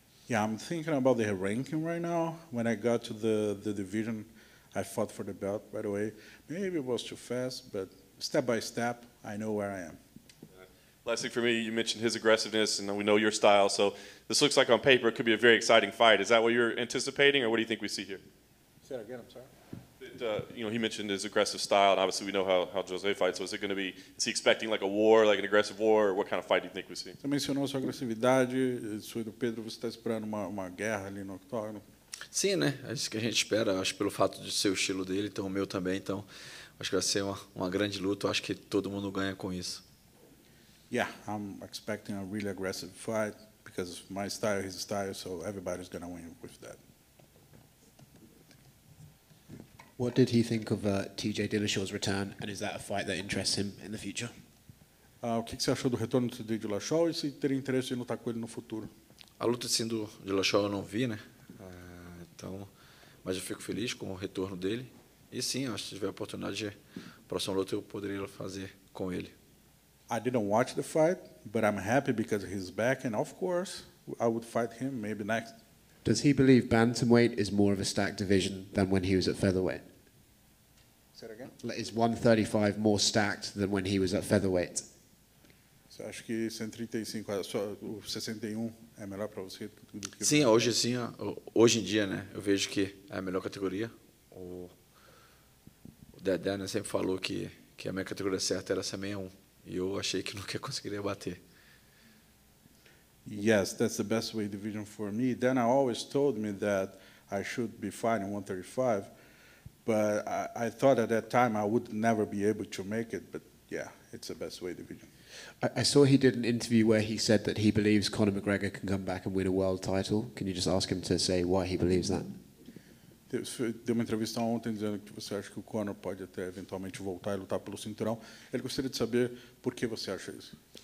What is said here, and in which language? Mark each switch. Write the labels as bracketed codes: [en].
[en] Yeah, I'm thinking about the ranking right now. When I got to the division, I fought for the belt, by the way. Maybe it was too fast, but step by step, I know where I am. Last thing for me, you mentioned his aggressiveness, and we know your style, so this looks like on paper it could be a very exciting fight. Is that what you're anticipating, or what do you think we see here? Say that again, I'm sorry. You know, he mentioned his aggressive style, and obviously we know how Jose fights. So, is it going to be? Is he expecting like a war, like an aggressive war, or what kind of fight do you think we see? [pt] Você mencionou sua agressividade, do Pedro, você está esperando uma guerra ali no octógono? Sim, né? É isso que a gente espera. Acho pelo fato de ser o estilo dele, então o meu também. Então, acho que vai ser uma grande luta. Acho que todo mundo ganha com isso. [en] Yeah, I'm expecting a really aggressive fight because my style, his style, so everybody's going to win with that. What did he think of TJ Dillashaw's return, and is that a fight that interests him in the future? [pt] O que você achou do retorno do TJ Dillashaw e se teria interesse em lutar com ele no futuro? A luta assim do Dillashaw eu não vi, né? Então, mas eu fico feliz com o retorno dele. E sim, acho que se tiver a oportunidade de próxima luta eu poderia fazer com ele. [en] I didn't watch the fight, but I'm happy because he's back, and of course I would fight him maybe next. Does he believe bantamweight is more of a stacked division than when he was at featherweight? Say it again. Is 135 more stacked than when he was at featherweight? [pt] So, acho que 135, só o 61 é melhor para você do que. Sim, hoje sim, hoje em dia, né? Eu vejo que é a melhor categoria. O Dedé, né, sempre falou que a minha categoria certa era 61, e eu achei que nunca conseguiria bater. [en] Yes, that's the best weight division for me. Then I always told me that I should be fighting 135, but I thought at that time I would never be able to make it, but yeah, it's the best weight division. I saw he did an interview where he said that he believes Conor McGregor can come back and win a world title. Can you just ask him to say why he believes that? [pt] Deu uma entrevista ontem dizendo que você acha que o Conor pode até eventualmente voltar e lutar pelo cinturão. Ele gostaria de saber por que você acha isso.